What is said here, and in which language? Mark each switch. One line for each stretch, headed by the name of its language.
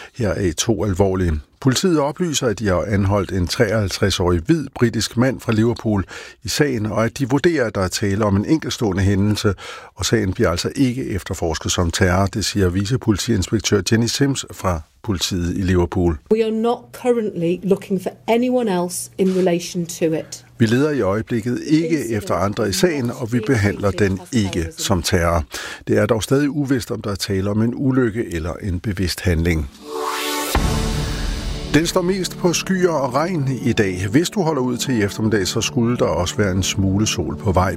Danish: Her er to alvorlige. Politiet oplyser, at de har anholdt en 53-årig hvid britisk mand fra Liverpool i sagen, og at de vurderer, at der er tale om en enkeltstående hændelse, og sagen bliver altså ikke efterforsket som terror, det siger vicepolitiinspektør Jenny Sims fra politiet i Liverpool.
English: We are not currently looking for anyone else in relation to it.
Danish: Vi leder i øjeblikket ikke efter andre i sagen, og vi behandler den ikke som terror. Det er dog stadig uvist, om der er tale om en ulykke eller en bevidst handling. Den står mest på skyer og regn i dag. Hvis du holder ud til i eftermiddag, så skulle der også være en smule sol på vej.